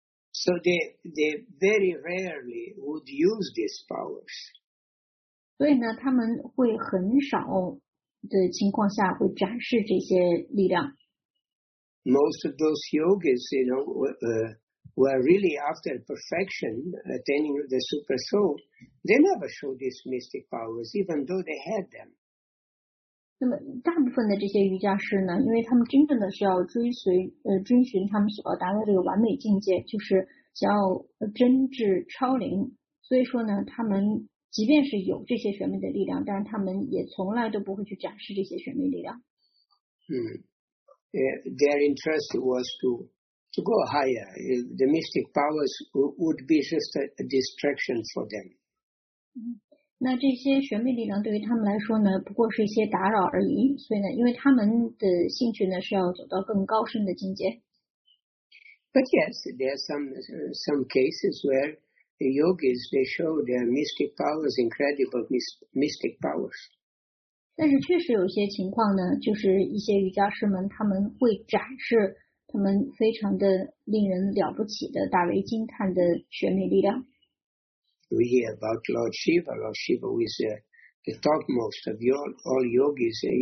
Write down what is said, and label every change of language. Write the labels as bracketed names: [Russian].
[English] So they very rarely would use these powers. [Chinese] 所以呢，他们会很少的情况下会展示这些力量。 [English] Most of those yogis, you know, were really after perfection, attaining the super soul. They never showed these mystic powers, even though they had them. [Chinese] 那么，大部分的这些瑜伽师呢，因为他们真正的是要追寻他们所要达到这个完美境界，就是想要真至超灵。所以说呢，他们。即便是有这些玄秘的力量，但是他们也从来都不会去展示这些玄秘力量。 [English] Their interest was to go higher. The mystic powers would be just a distraction for them. [Chinese] 那这些玄秘力量对于他们来说呢，不过是一些打扰而已。所以呢，因为他们的兴趣呢是要走到更高深的境界。 [English] But yes, there are some cases where. The yogis, they show their mystic powers, incredible mystic powers. [Chinese] 但是确实有些情况呢，就是一些瑜伽师们他们会展示他们非常的令人了不起的、大为惊叹的玄秘力量。 [English] We hear about Lord Shiva. Lord Shiva is the topmost of all yogis.